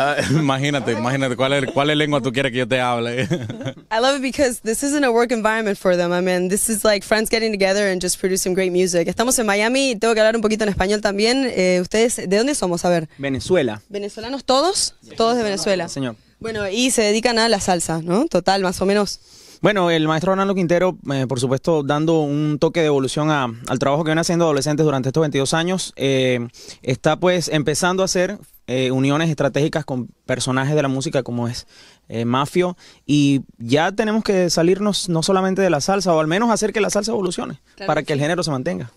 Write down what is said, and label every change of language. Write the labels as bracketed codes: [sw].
[es] imagínate cuál es lengua tú quieres que yo te hable. [en] I love it because this isn't a work environment for them. I mean, this is like friends getting together and just producing great music. [es] Estamos en Miami. Tengo que hablar un poquito en español también. Ustedes, ¿de dónde somos? A ver. Venezuela. ¿Venezolanos todos? Sí. Todos de Venezuela. No, señor. Bueno, y se dedican a la salsa, ¿no? Total, más o menos. Bueno, el maestro Ronaldo Quintero, por supuesto, dando un toque de evolución al trabajo que viene haciendo Adolescentes durante estos 22 años, está pues empezando a hacer uniones estratégicas con personajes de la música como es Maffio, y ya tenemos que salirnos no solamente de la salsa, o al menos hacer que la salsa evolucione, claro, para que el género se mantenga.